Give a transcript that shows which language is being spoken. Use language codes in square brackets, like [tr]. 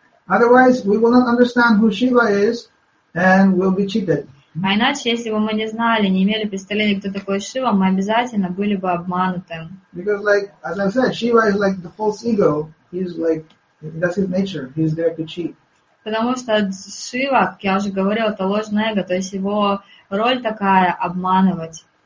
[en] Otherwise, we will not understand who Shiva is and we'll be cheated. [ru] А иначе, если бы мы не знали, не имели представления, кто такой Шива, мы обязательно были бы обмануты. [en] Because, like, as I said, Shiva is like the false ego. He's like, that's his nature. He's there to cheat. [ru] Потому что Шива, как я уже говорил, это ложное эго, то есть его роль такая — обманывать.